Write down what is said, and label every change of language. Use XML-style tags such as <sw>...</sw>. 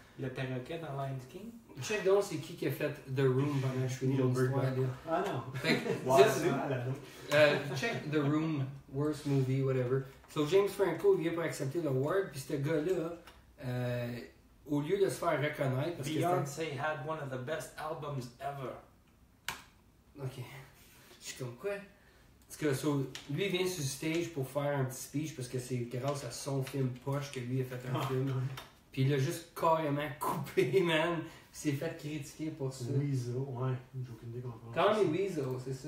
<fr>Le perroquet dans Lion King. Check donc c'est qui a fait The Room pendant que je finis l'histoire. Ah non. Fait que, Wazzo.</fr> <en>Check The Room, worst movie, whatever.</en> <fr>So James Franco vient pour accepter l'award, puis ce gars-là, au lieu de se faire reconnaître. Parce</fr> <en>Beyoncé que had one of the best albums ever.</en> <fr>Ok. Je suis comme quoi? Parce que so, lui vient sur stage pour faire un petit speech parce que c'est grâce à son film poche que lui a fait un film. Puis il l'a juste carrément coupé, man. Il s'est fait critiquer pour ça. Weasel, ouais. J'ai aucune idée qu'on parle. Tommy Weasel, c'est ça.</fr>